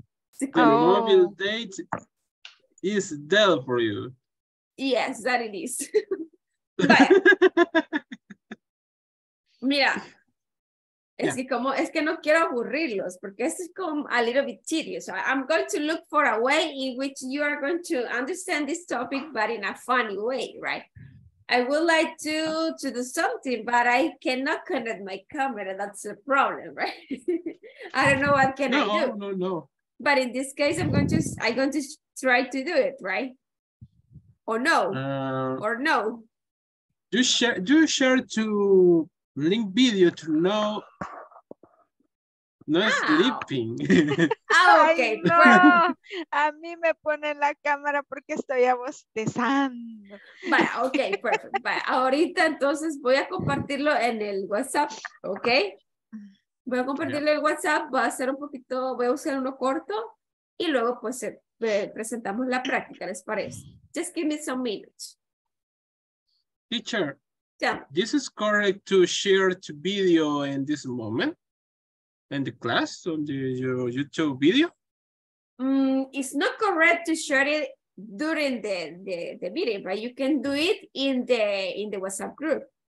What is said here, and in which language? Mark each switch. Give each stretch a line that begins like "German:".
English: Sí. The mobile date is dead for you. Yes, that it is.
Spanish: Mira, es que como es que no quiero aburrirlos porque esto es como
English: a little bit tedious. I'm going to look for a way in which you are going to understand this topic, but in a funny way, right? I would like to do something, but I cannot connect my camera. That's the problem, right? I don't know what can no, I do. No. But in this case, I'm going to try to do it, right? Or no? Do you share to link video to know? No sleeping. Ah, okay.
Spanish: Ay, no. A mí me ponen la cámara porque estoy abostezando. Vale, okay, perfecto. Vale, ahorita entonces voy a compartirlo en el WhatsApp, okay? Voy a compartirle el WhatsApp, voy a usar uno corto y luego pues presentamos la práctica, ¿les parece?
English: Just give me some minutes. Teacher, this is correct to share to video in this moment? In the class, on your YouTube video? It's not correct to share it during the meeting, but you can do it in the WhatsApp group.